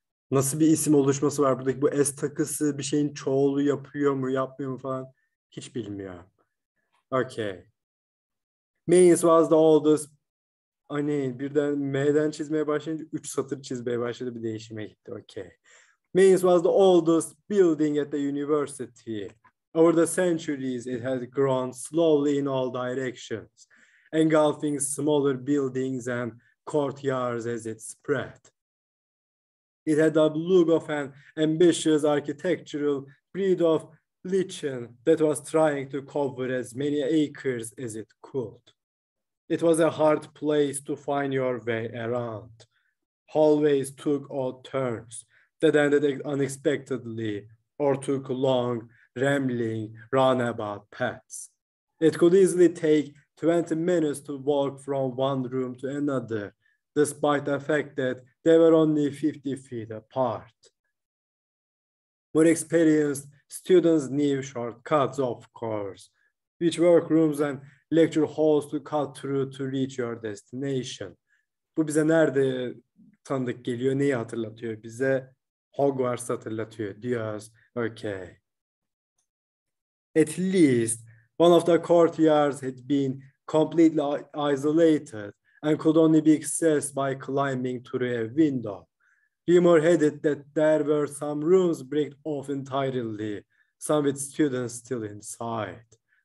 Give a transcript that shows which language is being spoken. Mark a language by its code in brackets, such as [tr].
[tr] Nasıl bir isim oluşması var buradaki? Bu S takısı bir şeyin çoğulu yapıyor mu, yapmıyor mu falan. Hiç bilmiyor. Okay. [en] Mains was the oldest. [tr] Hani birden M'den çizmeye başlayınca 3 satır çizmeye başladı. Bir değişime gitti. Okay. [en] Mains was the oldest building at the university. Over the centuries, it has grown slowly in all directions, engulfing smaller buildings and courtyards as it spread. It had a look of an ambitious architectural breed of lichen that was trying to cover as many acres as it could. It was a hard place to find your way around. Hallways took odd turns that ended unexpectedly or took long, rambling, runabout paths. It could easily take 20 minutes to walk from one room to another, despite the fact that they were only 50 feet apart. More experienced students knew shortcuts, of course, which workrooms and lecture halls to cut through to reach your destination. [tr] Bu bize nerede tanıdık geliyor, neyi hatırlatıyor bize? Hogwarts hatırlatıyor, diyoruz. Okay. [en] At least one of the courtyards had been completely isolated and could only be accessed by climbing through a window. Rumor had it that there were some rooms bricked off entirely, some with students still inside.